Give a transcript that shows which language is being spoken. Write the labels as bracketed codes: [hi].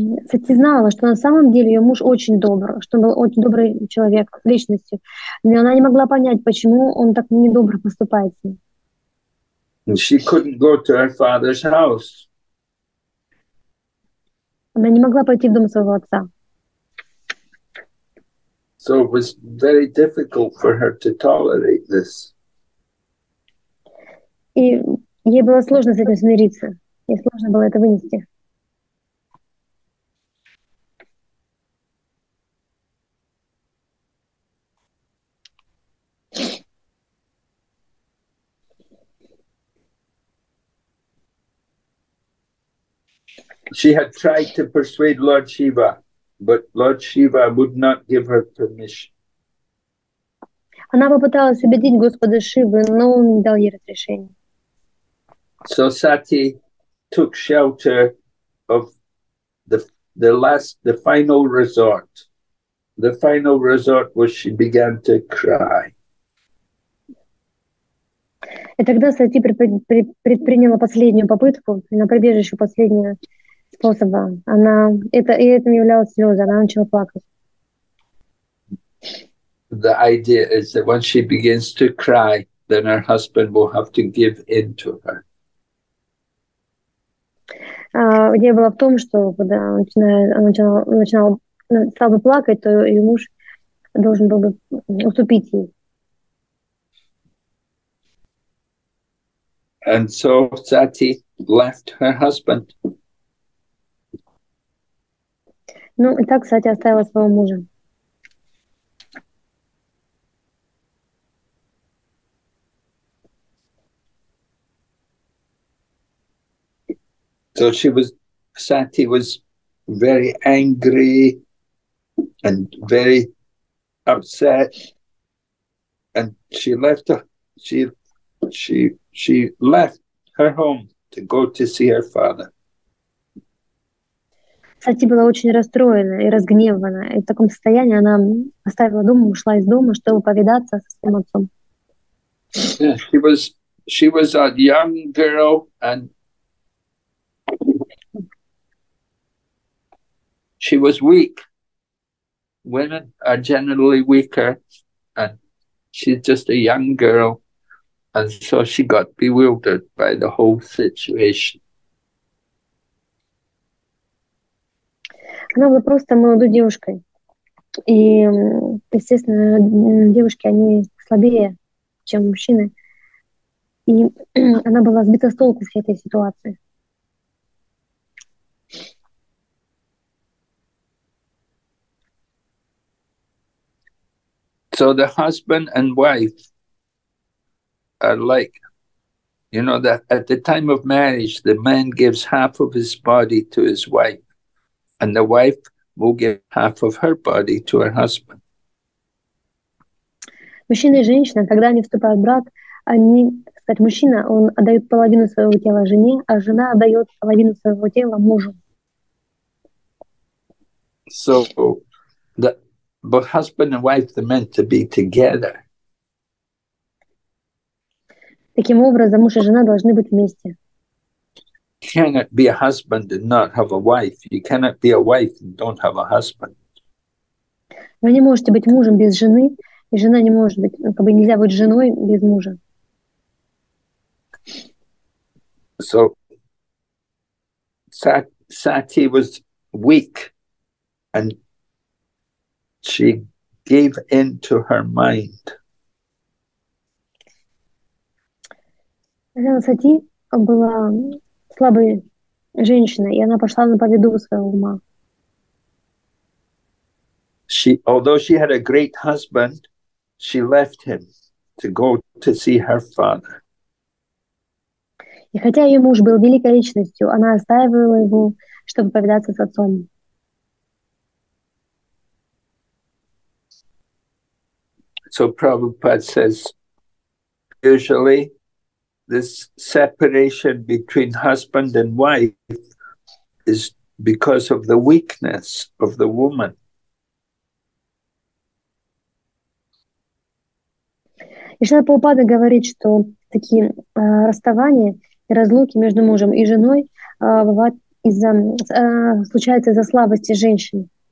[ru] Сати знала, что на самом деле ее муж очень добрый, что он был очень добрый человек личностью, но она не могла понять, почему он так недобро поступает с ней. [en] She couldn't go to her father's house. [ru] Она не могла пойти в дом своего отца. [en] So it was very difficult for her to tolerate this. [ru] И ей было сложно с этим смириться. Ей сложно было это вынести. [en] She had tried to persuade Lord Shiva, but Lord Shiva would not give her permission. [ru] Она попыталась убедить Господа Шивы, но он не дал ей разрешения. [en] So Sati took shelter of the final resort. The final resort was she began to cry. [ru] И тогда Сати предприняла последнюю попытку, на прибежище последнего способа. Она это и этим являлась слезы, она начала плакать. [en] The idea is that when she begins to cry, then her husband will have to give in to her. [ru] Идея была в том, что когда стал бы плакать, то ее муж должен был бы уступить ей. [en] And so Sati left her husband. [ru] Ну, и так Сати оставила своего мужа. [en] So Sati was very angry and very upset, and she left her home to go to see her father. [ru] Сати была очень расстроена и разгневана, и в таком состоянии она оставила дом, ушла из дома, чтобы повидаться со своим отцом. [en] She was a young girl and she was weak. Women are generally weaker, and she's just a young girl, and so she got bewildered by the whole situation. [ru] Она была просто молодой девушкой, и, естественно, девушки они слабее, чем мужчины, и она была сбита с толку в этой ситуации. [en] So the husband and wife are like, you know, that at the time of marriage, the man gives half of his body to his wife, and the wife will give half of her body to her husband. [ru] Мужчина и женщина, когда они вступают в брак, они, сказать, мужчина, он отдает половину своего тела жене, а жена отдает половину своего тела мужу. [en] So the But husband and wife are meant to be together. [ru] Таким образом, муж и жена должны быть вместе. [en] You cannot be a husband and not have a wife. You cannot be a wife and don't have a husband. [ru] Вы не можете быть мужем без жены, и жена не может быть, как бы нельзя быть женой без мужа. [en] So Sati was weak and she gave in to her mind. [ru] Сати была слабой женщиной, и она пошла на поводу своего ума. [en] She, although she had a great husband, she left him to go to see her father. [ru] И хотя ее муж был великой личностью, она оставила его, чтобы повидаться с отцом. [en] So Prabhupada says, usually this separation between husband and wife is because of the weakness of the woman. [ru] И Шрила Прабхупада говорит, что такие расставания и разлуки между мужем и женой бывают из-за случаются из-за слабости женщин.